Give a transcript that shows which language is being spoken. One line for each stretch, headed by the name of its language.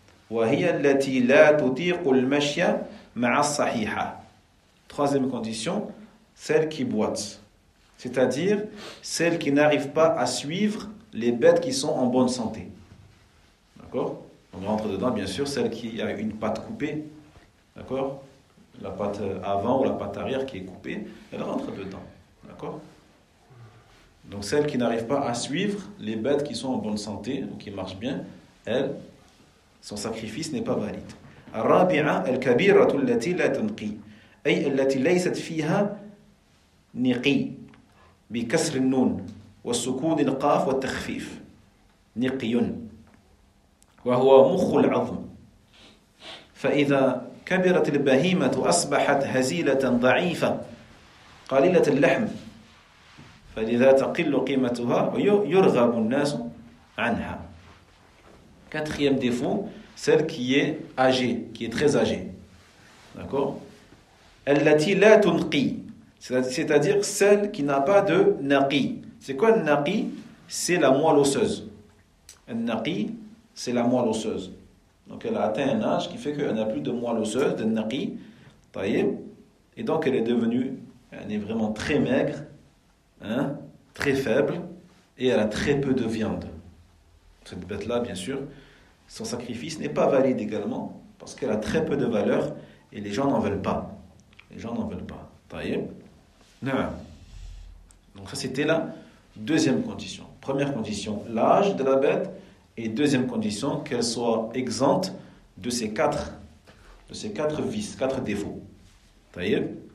Arabic: وهي التي لا تطيق المشي مع الصحيحة.
French: Troisième condition, celle qui boite, c'est-à-dire celle qui n'arrive pas à suivre les bêtes qui sont en bonne santé. D'accord ? On rentre dedans, bien sûr, celle qui a une patte coupée. D'accord ? La patte avant ou la patte arrière qui est coupée, elle rentre dedans. D'accord ? Donc celle qui n'arrive pas à suivre les bêtes qui sont en bonne santé ou qui marchent bien, elle, son sacrifice n'est pas valide.
Arabic: الرابعة الكبيرة التي لا تنقي أي التي ليست فيها نقي بكسر النون وسكون القاف والتخفيف نقي وهو مخ العظم فإذا كبرت البهيمة أصبحت هزيلة ضعيفة قليلة اللحم فلذا تقل قيمتها ويرغب الناس عنها
French: كاتخيام ديفو سيل كي اجي كي تريز اجي داكور
Arabic: التي لا تنقي
French: c'est-à-dire celle qui n'a pas de naqi. C'est quoi le naqi? C'est la moelle osseuse. Le naqi, c'est la moelle osseuse. Donc elle a atteint un âge qui fait qu'elle n'a plus de moelle osseuse, de naqi. Et donc elle est devenue, elle est vraiment très maigre, hein, très faible, et elle a très peu de viande. Cette bête-là, bien sûr, son sacrifice n'est pas valide également, parce qu'elle a très peu de valeur, et les gens n'en veulent pas. Les gens n'en veulent pas. طيب نعم donc ça c'était la deuxième condition première condition l'âge de la bête et deuxième condition qu'elle soit exempte de ces quatre vices quatre défauts طيب